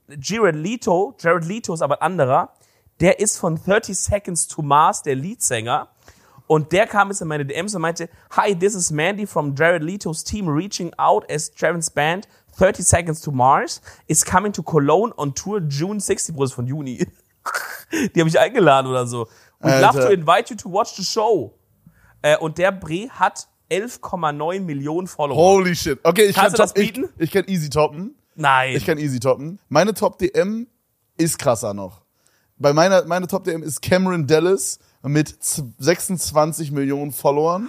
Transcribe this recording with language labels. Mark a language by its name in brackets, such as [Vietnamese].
[German] Jared Leto ist aber ein anderer. Der ist von 30 Seconds to Mars, der Leadsänger. Und der kam jetzt in meine DMs und meinte: [English] Hi, this is Mandy from Jared Leto's team reaching out as Jared's band. 30 Seconds to Mars is coming to Cologne on tour June 60, [German] Bruder, von Juni. Die habe ich eingeladen oder so. [English] We'd love to invite you to watch the show. [German] Und der Bre hat 11,9 Millionen Follower. [English] Holy shit. Okay, [German] Kannst du das bieten? Ich kann easy toppen. Nein. Ich kann easy toppen. Meine Top DM ist krasser noch. Bei meine Top DM ist Cameron Dallas mit 26 Millionen Followern.